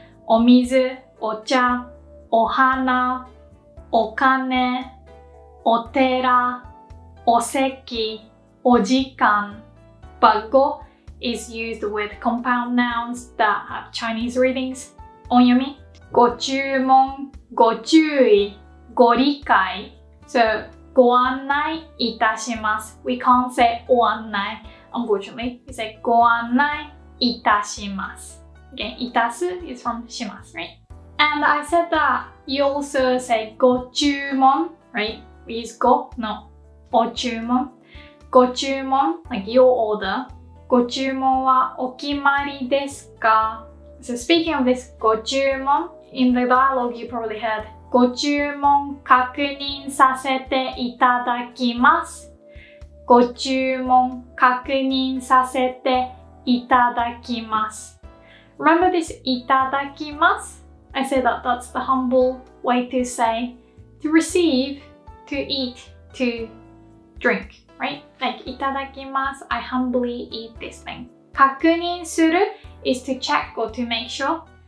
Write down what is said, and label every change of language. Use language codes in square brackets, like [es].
[ja] Omizu, ocha, ohana, okane, otera, oseki, ojikan. [en] But go is used with compound nouns that have Chinese readings. [ja] Onyomi. Go chūmon, go chūi, go rikai. So,ご案内いたします。 [en] We can't say お案内 unfortunately. We say [ja] ご案内いたします。 [en] Again, いたす is from します, right? And I said that you also say ご注文, right? We use ご, not お注文.ご注文, like your order. [ja] ご注文はお決まりですか? [en] So speaking of this, ご注文, in the dialogue you probably heard, [ja] ご注文確認させていただきます。ご注文確認させていただきます。 [en] Remember this, いただきます? I say that that's the humble way to say to receive, to eat, to drink, right? Like, いただきます。I humbly eat this thing. 確認する is to check or to make sure.